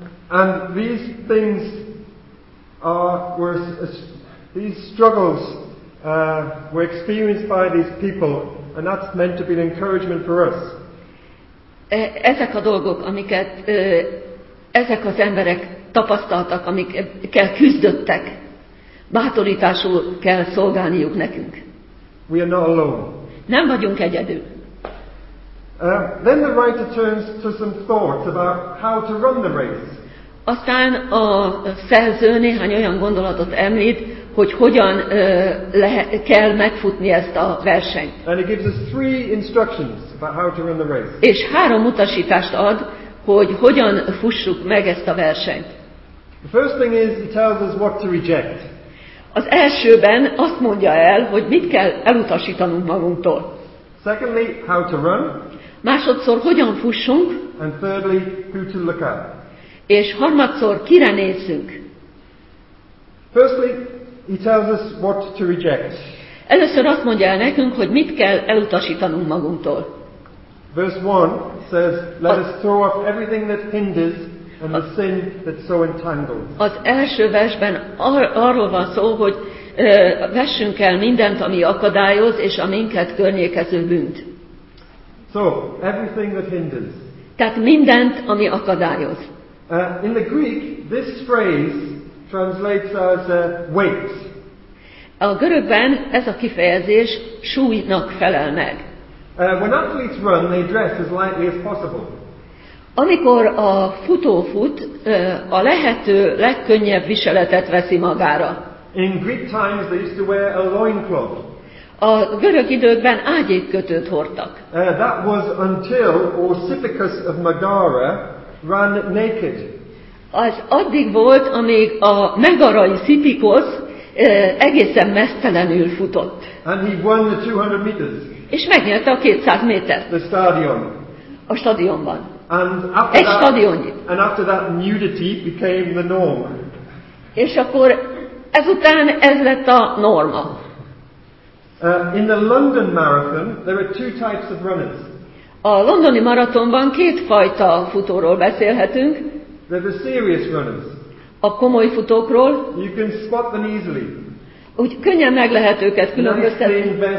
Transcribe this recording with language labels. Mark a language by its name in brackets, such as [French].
[English] And these things were these struggles were experienced by these people, and that's meant to be an encouragement for us. [Hungarian] Ezek a dolgok, amiket ezek az emberek tapasztaltak, amikkel küzdöttek, bátorításul kell szolgálniuk nekünk. [English] We are not alone. [Hungarian] Nem vagyunk egyedül. [English] Then the writer turns to some thoughts about how to run the race. [Hungarian] Aztán a szerző néhány olyan gondolatot említ, hogy hogyan kell megfutni ezt a versenyt. [English] And it gives us three instructions about how to run the race. [Hungarian] És három utasítást ad, hogy hogyan fussuk meg ezt a versenyt. [English] The first thing is, he tells us what to reject. [Hungarian] Az elsőben azt mondja el, hogy mit kell elutasítanunk magunktól. [English] Secondly, how to run. [Hungarian] Másodszor, hogyan fussunk. [English] And thirdly, who to look at. [Hungarian] És harmadszor, kire nézzünk. [English] Firstly, he tells us what to reject. [Hungarian] Először azt mondja el nekünk, hogy mit kell elutasítanunk magunktól. [English] Verse 1 says, let us throw off everything that hinders and the sin that so entangles. [Hungarian] Az első versben arról van szó, hogy vessünk el mindent, ami akadályoz, és a minket környékező bűnt. [English] So, everything that hinders. [Hungarian] Tehát mindent, ami akadályoz. [English] In the Greek, this phrase translates as weight. [Hungarian] A görögben ez a kifejezés súlynak felel meg. [English] When athletes run, they dress as lightly as possible. [Hungarian] Amikor a futó fut, a lehető legkönnyebb viseletet veszi magára. [English] In Greek times, they used to wear a loincloth. [Hungarian] A görög időkben ágyékkötőt hordtak. [English] That was until Orsippicus of Megara ran naked. [Hungarian] Az addig volt, amíg a megarai Szipikosz egészen mesztelenül futott. [English] And he won the 200 meters. [Hungarian] És megnyerte a 200 métert. [English] The stadion. [Hungarian] A stadionban. [English] And [Hungarian] egy stadionnyi. [English] And after that nudity became the norm. [Hungarian] És akkor ezután ez lett a norma. [English] In the London Marathon, there are two types of runners. [Hungarian] A londoni maratonban két fajta futóról beszélhetünk. [English] They're the serious runners. [Hungarian] A komoly futókról. [English] You can spot them easily. [Hungarian] Úgy könnyen meg lehet őket különböztetni.